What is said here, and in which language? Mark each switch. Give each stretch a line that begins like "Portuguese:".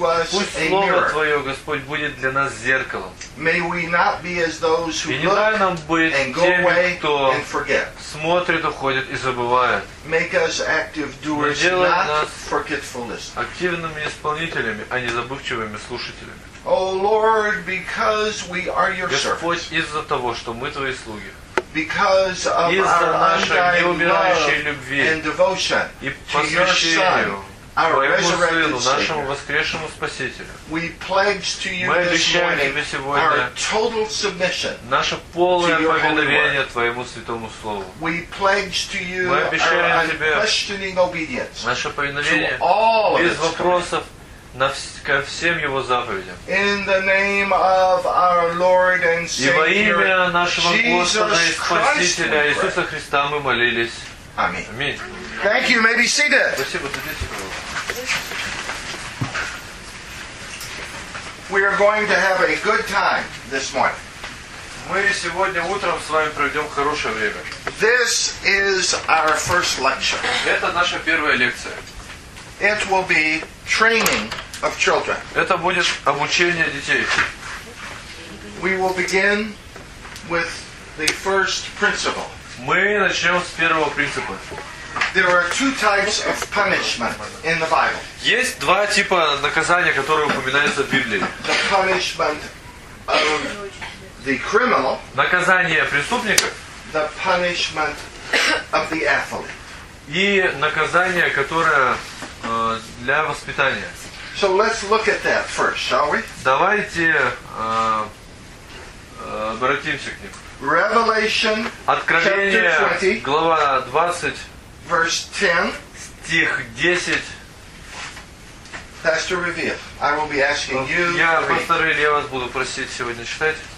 Russian: Пусть Слово Твое, Господь, будет для нас зеркалом. И не дай нам быть теми, кто смотрит, уходит и забывает. Не делай нас активными исполнителями, а не забывчивыми слушателями.
English: Oh Lord, because we are your servants.
Russian: Господь, из-за того, что мы твои слуги.
English: Because of our
Russian: неумирающей любви
English: and devotion
Russian: и посвящению твоему сыну, нашему воскресшему спасителю.
English: We pledge to you
Russian: мы обещаем тебе сегодня
English: our total submission
Russian: наше полное повиновение твоему святому слову.
English: We pledge to you
Russian: мы обещаем тебе
English: unquestioning obedience
Russian: наше повиновение без вопросов ко всем Его заповедям.
English: In the name of our Lord and Savior,
Russian: и во имя нашего Господа и Спасителя Иисуса Христа мы молились. Аминь. Аминь.
English: Thank you. You may be seated.
Russian: Спасибо, садитесь, пожалуйста.
English: We are going to have a good time this morning.
Russian: Мы сегодня утром с вами проведем хорошее время.
English: This is our first lecture.
Russian: Это наша первая лекция.
English: It will be training of children.
Russian: Это будет обучение детей.
English: We will begin with the first principle.
Russian: Мы начнем с первого принципа.
English: There are two types of punishment in the Bible.
Russian: Есть два типа наказания, которые упоминаются в Библии.
English: The punishment of the criminal.
Russian: Наказание преступника.
English: The punishment of the athlete.
Russian: И наказание, которое для воспитания.
English: So let's look at that first, shall we?
Russian: Давайте обратимся к ним.
English: Revelation,
Russian: Откровение,
English: chapter 20,
Russian: глава 20,
English: verse 10,
Russian: стих 10.
English: Pastor Revere, I will be asking you.
Russian: Я, пастор Ильи, я вас буду просить сегодня читать.